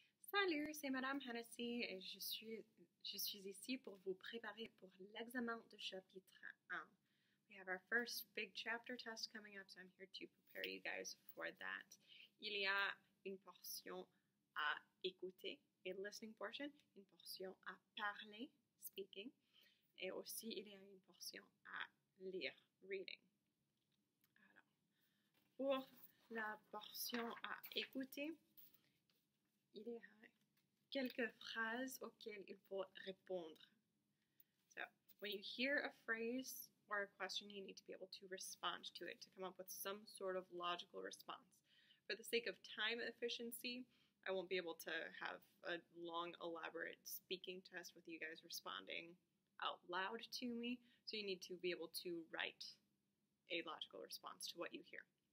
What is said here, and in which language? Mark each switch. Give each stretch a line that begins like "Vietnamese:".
French: Salut, c'est Madame Hennessy et je suis ici pour vous préparer pour l'examen de chapitre 1.
English: We have our first big chapter test coming up, so I'm here to prepare you guys for that.
French: Il y a une portion à écouter,
English: a listening portion,
French: une portion à parler, speaking, et aussi il y a une portion à lire, reading. Alors, pour la portion à écouter, il y a quelques phrases auxquelles il faut répondre.
English: So, when you hear a phrase or a question, you need to be able to respond to it, to come up with some sort of logical response. For the sake of time efficiency, I won't be able to have a long, elaborate speaking test with you guys responding out loud to me, so you need to be able to write a logical response to what you hear.